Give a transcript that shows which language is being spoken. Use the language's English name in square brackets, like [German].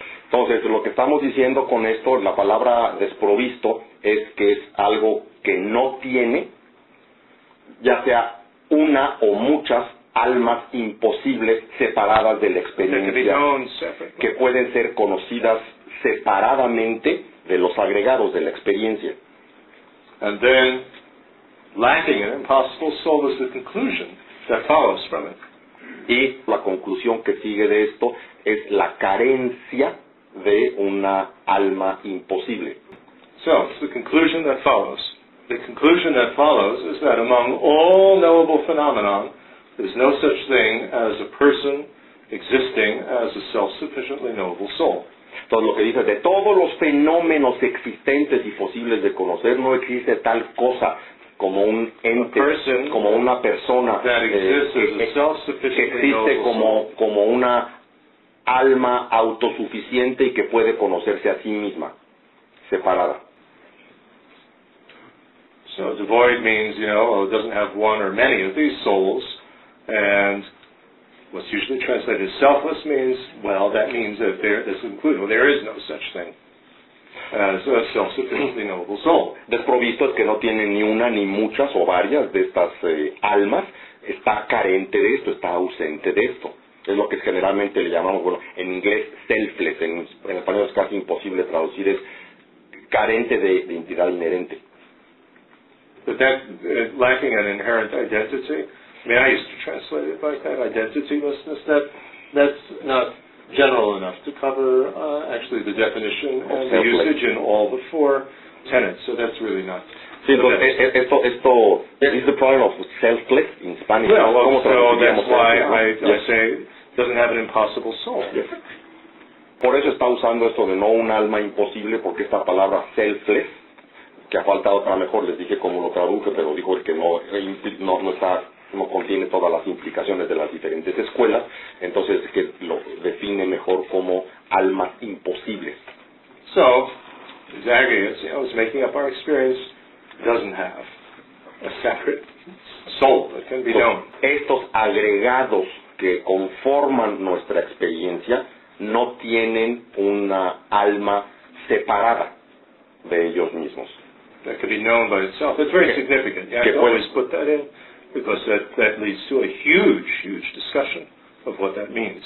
[Spanish] Entonces, lo que estamos diciendo con esto, la palabra desprovisto, es que es algo que no tiene, ya sea una o muchas, almas imposibles separadas de la experiencia, que pueden ser conocidas separadamente de los agregados de la experiencia. [English] And then, lacking an impossible soul is the conclusion that follows from it. [Spanish] Y la conclusión que sigue de esto es la carencia de una alma imposible. [English] So, it's the conclusion that follows. The conclusion that follows is that among all knowable phenomena, there's no such thing as a person existing as a self-sufficiently knowable soul. [Spanish] Entonces lo que dice, de todos los fenómenos existentes y posibles de conocer, no existe tal cosa como un ente, como una persona que existe como una alma autosuficiente y que puede conocerse a sí misma, separada. [English] So devoid means, you know, it doesn't have one or many of these souls. And what's usually translated as selfless means, well, that means that there is no such thing as a self-sufficiently knowable soul. [Spanish] Desprovisto es que no tiene ni una, ni muchas o varias de estas almas. Está carente de esto, está ausente de esto. Es lo que generalmente le llamamos, bueno, en inglés, selfless. En español es casi imposible traducir. Es carente de identidad inherente. [English] But that, lacking an inherent identity, I mean, I used to translate it like that, identitylessness. That's not general enough to cover actually the definition and the usage in all the four tenets. So that's really not. [Spanish] Sí, esto [English] is the problem of selfless in Spanish. Well, so that's why I say doesn't have an impossible soul. Yes. [Spanish] Por eso está usando esto de no un alma imposible, porque esta palabra selfless, que ha faltado otra mejor, les dije cómo lo traduje, pero dijo el que no está, no contiene todas las implicaciones de las diferentes escuelas, entonces que lo define mejor como almas imposibles. [English] So, his aggregates, you know, is making up our experience, doesn't have a separate soul that can be known. [Spanish] Estos agregados que conforman nuestra experiencia no tienen una alma separada de ellos mismos. [English] That can be known by itself. It's very significant. Yeah, I always put that in. Because that leads to a huge, huge discussion of what that means.